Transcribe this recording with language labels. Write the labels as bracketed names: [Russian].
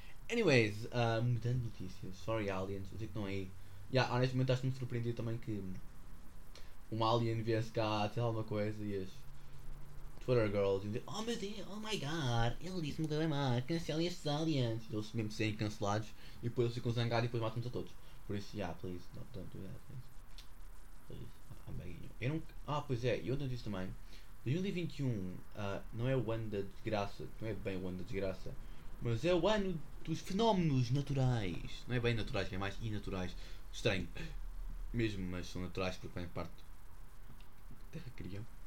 [English] Anyways, [Portuguese] mudando de notícias, [English] sorry aliens, [Portuguese] eu sei que estão aí. Honestamente, acho que me surpreendi também que um alien viesse cá, sei lá, alguma coisa e as [English] Twitter girls [Portuguese] iam dizer: Oh meu Deus, [English] oh my god, [Portuguese] ele disse-me que é má, cancelem estes aliens. Eles mesmo serem cancelados e depois eles ficam zangados e depois matam-nos a todos. Por isso, [English] please, don't do that, please. Please, I'm begging you. [Portuguese] Pois é, e outra notícia também: 2021 não é o ano da desgraça, não é bem o ano da desgraça, mas é o ano dos fenómenos naturais. Não é bem naturais, é mais inaturais. Estranho mesmo, mas são naturais porque fazem parte da terra que criam.